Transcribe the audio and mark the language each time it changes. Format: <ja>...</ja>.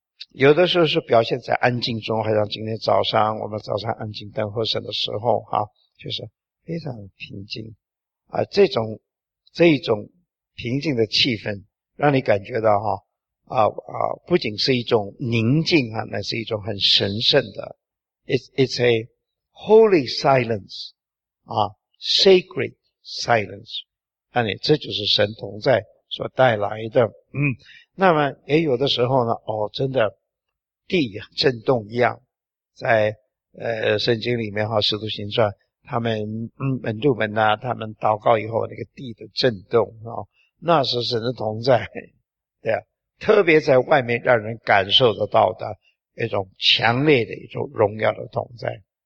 <zh>有的时候是表现在安静中，好像今天早上我们早上安静等候神的时候啊，就是非常平静啊，这种平静的气氛让你感觉到不仅是一种宁静啊，那是一种很神圣的。</zh> <en>It's a holy silence, sacred silence.</en> <zh>这就是神同在所带来的。那么也有的时候呢，真的地震动一样，在圣经里面使徒行传他们门徒们啊，他们祷告以后那个地的震动、哦、那时神的同在，对啊，特别在外面让人感受得到的一种强烈的一种荣耀的同在。</zh>